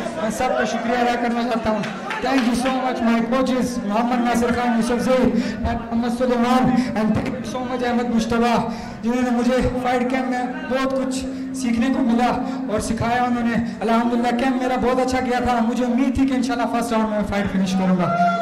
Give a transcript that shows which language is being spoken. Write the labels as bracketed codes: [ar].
[hi] मैं सबका शुक्रिया अदा करना चाहता हूँ. [en] Thank you so much, my coaches, Muhammad Nasir Khan, Yusuf Zay, and Muhammad Suleiman, and thank you so much, Ahmed Mustafa, [hi] जिन्होंने मुझे फाइट कैंप में बहुत कुछ सीखने को मिला और सिखाया उन्होंने. अल्हम्दुलिल्लाह कैंप मेरा बहुत अच्छा गया था. मुझे उम्मीद थी कि इंशाल्लाह फर्स्ट राउंड में फाइट फिनिश करूंगा.